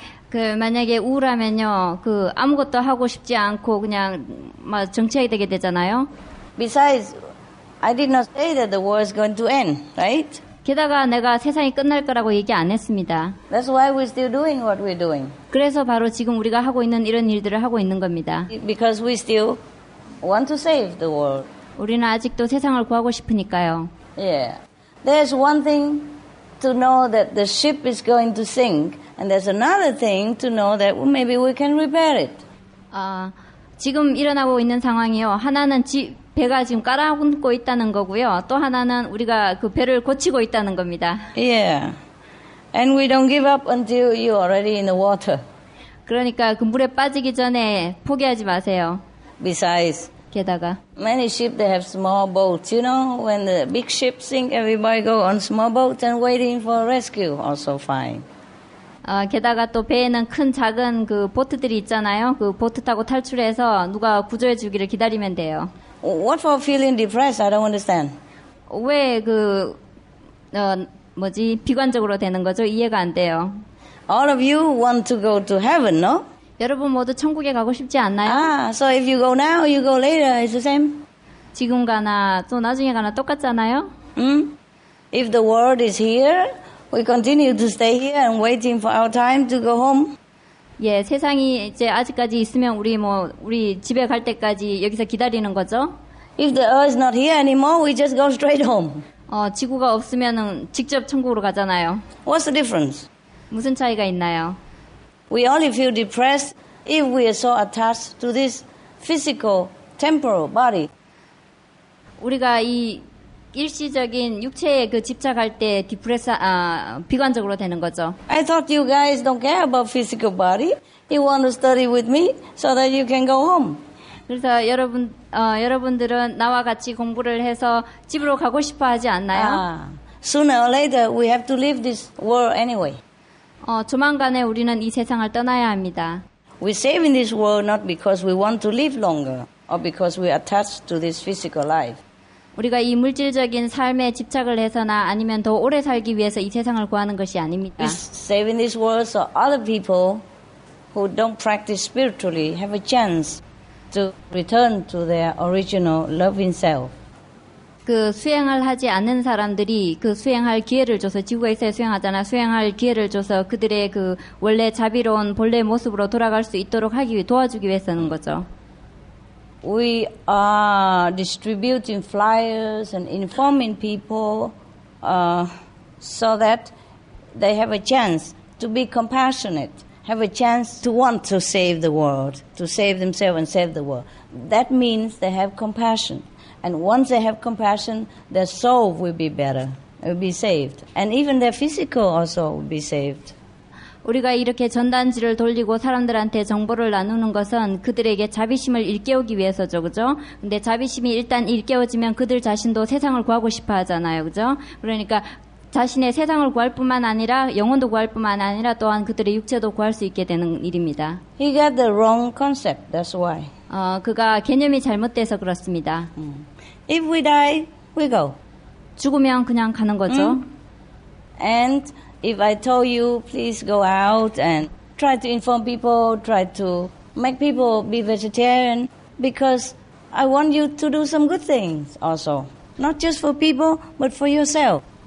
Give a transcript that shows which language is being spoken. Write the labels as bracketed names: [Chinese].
[Korean] 그 만약에 우울하면요, 그 아무것도 하고 싶지 않고 그냥 막 정체하게 되게 되잖아요. [English] Besides, I did not say that the world is going to end, right? [Korean] 게다가 내가 세상이 끝날 거라고 얘기 안 했습니다. [English] That's why we're still doing what we're doing. [Korean] 그래서 바로 지금 우리가 하고 있는 이런 일들을 하고 있는 겁니다. [English] Because we still want to save the world. [Korean] 우리는 아직도 세상을 구하고 싶으니까요. [English] Yeah. There's one thing to know that the ship is going to sink, and there's another thing to know that maybe we can repair it. [Korean] 지금 일어나고 있는 상황이요. 하나는 배가 지금 깔아놓고 있다는 거고요. 또 하나는 우리가 그 배를 고치고 있다는 겁니다. [English] Yeah. And we don't give up until you're already in the water. [Korean] 그러니까 그 물에 빠지기 전에 포기하지 마세요. [English] Besides, [Korean] 게다가 [English] many ships they have small boats. You know, when the big ships sink, everybody go on small boats and waiting for rescue. Also fine. [Korean] 게다가 또 배에는 큰 작은 그 보트들이 있잖아요. 그 보트 타고 탈출해서 누가 구조해 주기를 기다리면 돼요. [English] What for feeling depressed? I don't understand. [Korean] 왜 그 뭐지 비관적으로 되는 거죠? 이해가 안 돼요. [English] All of you want to go to heaven, no? [Korean] 여러분 모두 천국에 가고 싶지 않나요? [English] Ah, so if you go now, you go later. It's the same. [Korean] 지금 가나 또 나중에 가나 똑같잖아요. Hmm. [English] If the world is here, we continue to stay here and waiting for our time to go home. [Korean] 예, 세상이 이제 아직까지 있으면 우리 뭐 우리 집에 갈 때까지 여기서 기다리는 거죠. [English] If the earth is not here anymore, we just go straight home. [Korean] 지구가 없으면은 직접 천국으로 가잖아요. [English] What's the difference? [Korean] 무슨 차이가 있나요? [English] We only feel depressed if we are so attached to this physical, temporal body. [Korean] 우리가 이 일시적인 육체에 그 집착할 때 비관적으로 되는 거죠. [English] I thought you guys don't care about physical body. You want to study with me so that you can go home. [Korean] 그래서 여러분들은 나와 같이 공부를 해서 집으로 가고 싶어 하지 않나요? [English] Sooner or later, we have to leave this world anyway. [Korean] 조만간에 우리는 이 세상을 떠나야 합니다. [English] We're saving this world not because we want to live longer or because we're attached to this physical life. [Korean] 우리가 이 물질적인 삶에 집착을 해서나 아니면 더 오래 살기 위해서 이 세상을 구하는 것이 아닙니다. [English] We're saving this world so other people who don't practice spiritually have a chance to return to their original loving self. [Korean] 그 수행을 하지 않는 사람들이 그 수행할 기회를 줘서 지구에서 수행하잖아 수행할 기회를 줘서 그들의 그 원래 자비로운 본래 모습으로 돌아갈 수 있도록 하기 위해 도와주기 위해서는 거죠. [English] We are distributing flyers and informing people so that they have a chance to be compassionate, have a chance to want to save the world, to save themselves and save the world. That means they have compassion. And once they have compassion, their soul will be better, will be saved. And even their physical also will be saved. [Korean] 우리가 이렇게 전단지를 돌리고 사람들한테 정보를 나누는 것은 그들에게 자비심을 일깨우기 위해서죠, 그죠? 근데 자비심이 일단 일깨워지면 그들 자신도 세상을 구하고 싶어 하잖아요, 그죠? 그러니까 자신의 세상을 구할 뿐만 아니라 영혼도 구할 뿐만 아니라 또한 그들의 육체도 구할 수 있게 되는 일입니다. [English] He got the wrong concept, that's why. [Korean] 그가 개념이 잘못돼서 그렇습니다. [English] If we die, we go. [Korean] 죽으면 그냥 가는 거죠. [English] And if I told you, please go out and try to inform people, try to make people be vegetarian, because I want you to do some good things also. Not just for people, but for yourself.